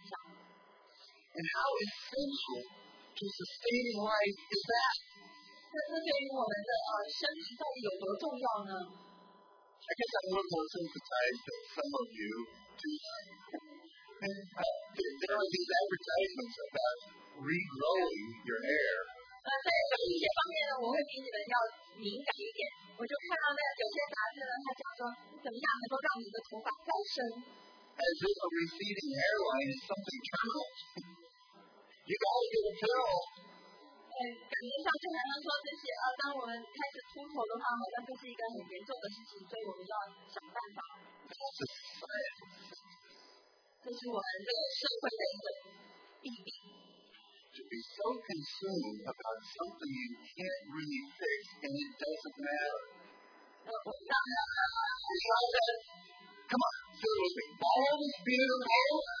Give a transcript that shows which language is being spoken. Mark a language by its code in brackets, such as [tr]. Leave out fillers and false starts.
[en] And how essential to sustaining life is that? [zh] 那对于我们的生命到底有多重要呢？ [en] I guess I'm a little more sympathized than some of you do. There are these advertisements about regrowing your hair. [zh] 在这一些方面呢，我会比你们要敏感一点。我就看到呢，有些杂志呢，他讲说怎么样能够让你的头发再生。 [en] As if a receding hairline is something terminal. You gotta get a pill. [zh] 感觉上就好像说这些当我们开始秃头的话，好像就是一个很严重的事情，所以我们要想办法。这是我们这个社会的一个弊病。 [en] To be so consumed about something you can't really fix and it doesn't matter. Come on, do it with me. Bald is beautiful.